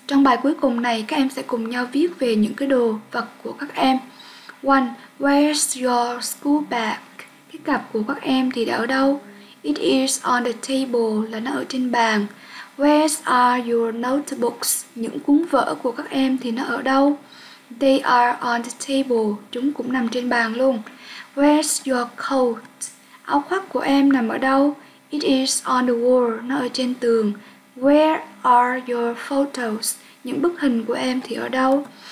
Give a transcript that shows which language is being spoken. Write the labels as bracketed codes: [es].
[vi] Trong bài cuối cùng này, các em sẽ cùng nhau viết về những cái đồ vật của các em. 1. [en] Where's your school bag? [vi] Cái cặp của các em thì đã ở đâu? [en] It is on the table, [vi] là nó ở trên bàn. [en] Where are your notebooks? [vi] Những cuốn vở của các em thì nó ở đâu? [en] They are on the table. [vi] Chúng cũng nằm trên bàn luôn. [en] Where's your coat? [vi] Áo khoác của em nằm ở đâu? [en] It is on the wall, [vi] nó ở trên tường. [en] Where are your photos? [vi] Những bức hình của em thì ở đâu?